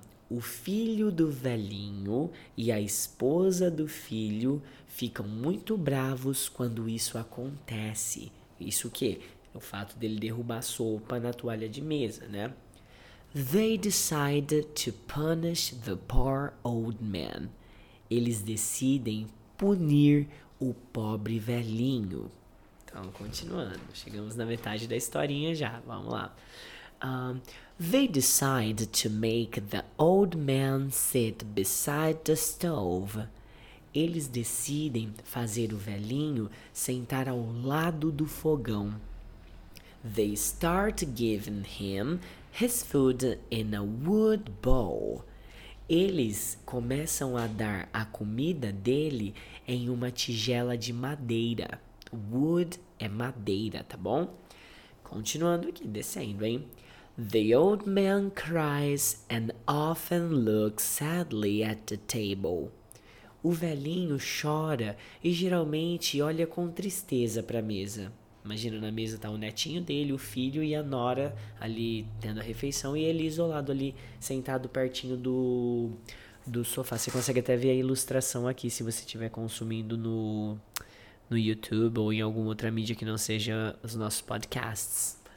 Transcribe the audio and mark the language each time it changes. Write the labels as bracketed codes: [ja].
[pt] O filho do velhinho e a esposa do filho ficam muito bravos quando isso acontece. Isso o quê? O fato dele derrubar a sopa na toalha de mesa, né? [en] They decide to punish the poor old man. [pt] Eles decidem punir o pobre velhinho. Então, continuando, chegamos na metade da historinha já, vamos lá. [en] They decide to make the old man sit beside the stove. [pt] Eles decidem fazer o velhinho sentar ao lado do fogão. [en] They start giving him his food in a wood bowl. [pt] Eles começam a dar a comida dele em uma tigela de madeira. Wood é madeira, tá bom? Continuando aqui, descendo, hein? [en] The old man cries and often looks sadly at the table. [pt] O velhinho chora e geralmente olha com tristeza para a mesa. Imagina, na mesa tá o netinho dele, o filho e a nora ali tendo a refeição e ele isolado ali, sentado pertinho do sofá. Você consegue até ver a ilustração aqui, se você estiver consumindo no YouTube ou em alguma outra mídia que não seja os nossos podcasts.